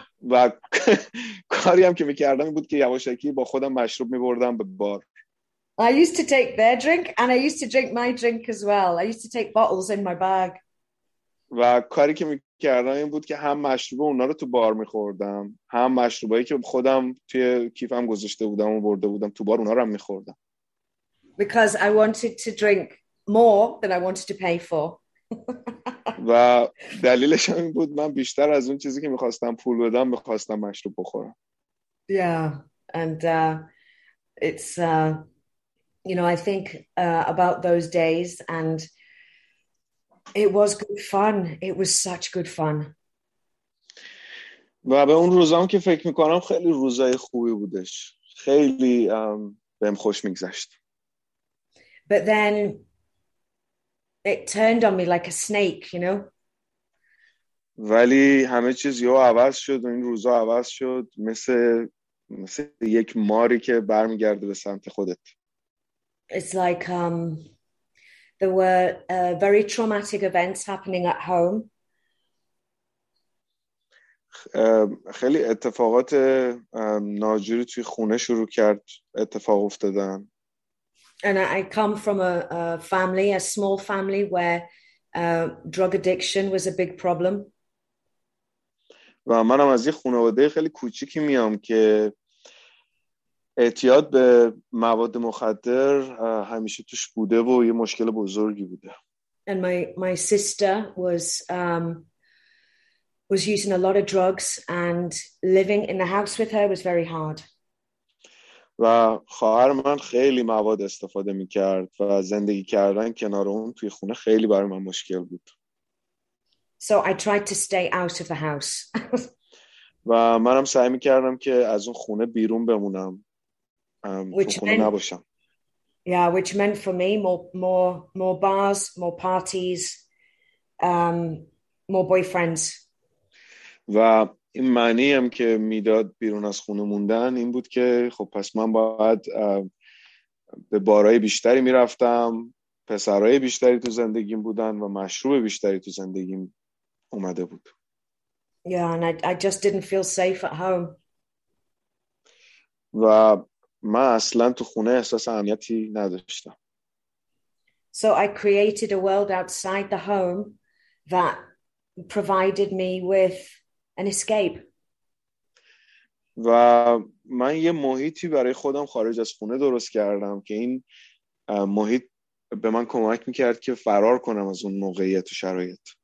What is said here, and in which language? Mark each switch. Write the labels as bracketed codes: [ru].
[fa] و کاری هم که میکردم بود که یواشکی با خودم مشروب میبردم به بار. [en] I used to take their drink and I used to drink my drink as well. I used to take bottles in my bag. [fa] و کاری که میکردم این بود که هم مشروب اونا رو تو بار میخوردم، هم مشروبایی که خودم توی کیفم گذاشته بودم و برده بودم تو بار اونا رو هم میخوردم. [en] Because I wanted to drink more than I wanted to pay for. [fa] و دلیلش هم این بود من بیشتر از اون چیزی که میخواستم پول بدم میخواستم مشروب بخورم. [en] Yeah, and it's you know, I think about those days and it was good fun. It was such good fun. [fa] و به اون روزام که فکر میکنم خیلی روزای خوبی بودش، خیلی بهم خوش میگذشت. [en] But then it turned on me like a snake, you know. [fa] ولی همه چیز یهو عوض شد و این روزا عوض شد، مثل یک ماری که برمیگرده به سمت خودت. [en] It's like there were very traumatic events happening at home. [fa] خیلی اتفاقات ناجوری توی خونه شروع کرد اتفاق افتادن. [en] And I come from a family, a small family where drug addiction was a big problem. [fa] و منم از یه خانواده خیلی کوچیکی میام که اعتیاد به مواد مخدر همیشه توش بوده و یه مشکل بزرگی بوده. [en] And my sister was using a lot of drugs and living in the house with her was very hard. [fa] و خواهر من خیلی مواد استفاده میکرد و زندگی کردن کنار اون توی خونه خیلی برای من مشکل بود. [en] So I tried to stay out of the house. [fa] و منم سعی میکردم که از اون خونه بیرون بمونم، [en] which [fa] تو خونه نباشم. [en] Yeah, which meant for me more bars, more parties, more boyfriends. [fa] و این معنی هم که میداد بیرون از خونه موندن این بود که خب پس من باید به بارهای بیشتری میرفتم، پسرهای بیشتری تو زندگیم بودن و مشروب بیشتری تو زندگیم اومده بود. [en] Yeah, and I just didn't feel safe at home. [fa] و من اصلا تو خونه احساس امنیتی نداشتم. [en] So I created a world outside the home that provided me with an escape. [fa] و من یه محیطی برای خودم خارج از خونه درست کردم که این محیط به من کمک میکرد که فرار کنم از اون موقعیت و شرایط.